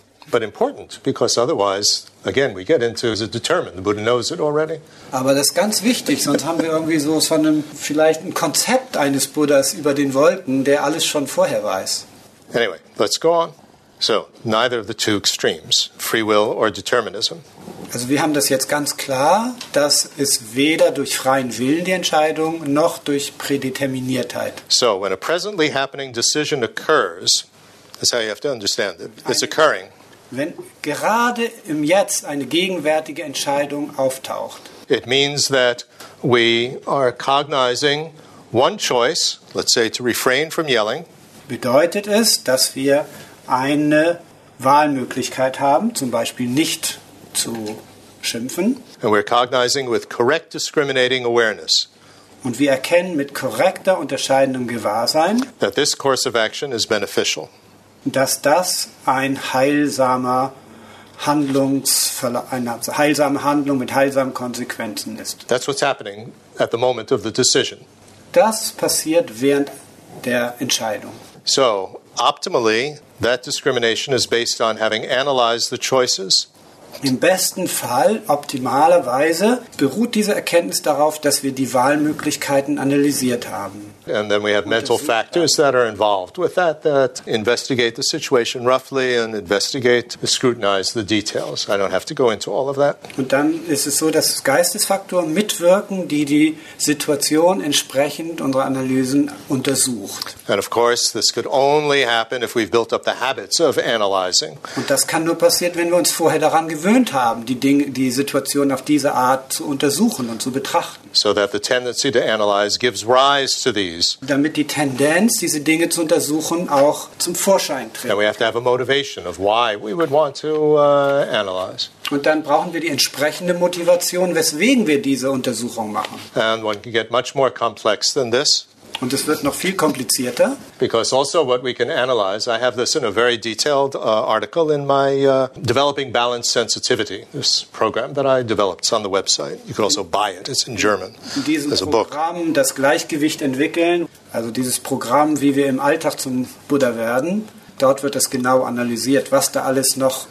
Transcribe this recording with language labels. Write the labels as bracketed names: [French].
[English] But important, because otherwise, again, we get into, is it determined? The Buddha knows it already. [German] Aber das ist ganz wichtig, sonst haben wir irgendwie so von einem, vielleicht ein Konzept eines Buddhas über den Wolken, der alles schon vorher weiß. [English] Anyway, let's go on. So, neither of the two extremes, free will or determinism. [German] Also wir haben das jetzt ganz klar, dass es weder durch freien Willen die Entscheidung, noch durch Prädeterminiertheit. [English] So, when a presently happening decision occurs, that's how you have to understand it, it's occurring. [German] Wenn gerade im Jetzt eine gegenwärtige Entscheidung auftaucht. [English] It means that we are cognizing one choice, let's say to refrain from yelling. [German] Bedeutet es, dass wir eine Wahlmöglichkeit haben, zum Beispiel nicht zu schimpfen. [English] And we're cognizing with correct discriminating awareness. [German] Und wir erkennen mit korrekter unterscheidendem Gewahrsein, [English] that this course of action is beneficial. [German] Dass das eine heilsame Handlung mit heilsamen Konsequenzen ist. [English] That's what's happening at the moment of the decision. [German] Das passiert während der Entscheidung. [English] So, optimally, that discrimination is based on having analyzed the choices. [German] Im besten Fall, optimalerweise, beruht diese Erkenntnis darauf, dass wir die Wahlmöglichkeiten analysiert haben. [English] And then we have mental factors that are involved with that, that investigate the situation roughly and investigate, scrutinize the details. I don't have to go into all of that. [German] Und dann ist es so, dass Geistesfaktoren mitwirken, die die Situation entsprechend unserer Analysen untersucht. [English] And of course, this could only happen if we've built up the habits of analyzing. [German] Und das kann nur passieren, wenn wir uns vorher daran gewöhnt haben, die Situation auf diese Art zu untersuchen und zu betrachten. [English] So that the tendency to analyze gives rise to these. [German] Damit die Tendenz, diese Dinge zu untersuchen, auch zum Vorschein tritt. [English] And we have to have a motivation of why we would want to analyze. [German] Und dann brauchen wir die entsprechende Motivation, weswegen wir diese Untersuchung machen. [English] And one can get much more complex than this. [German] Und es wird noch viel komplizierter. [English] Because also what we can analyze, I have this in a very detailed article in my Developing Balance Sensitivity, this program that I developed. It's on the website. You can also buy it. It's in German. [German] In diesem Programm, das Gleichgewicht entwickeln, also dieses Programm, wie wir im Alltag zum Buddha werden, dort wird das genau analysiert, was da alles noch...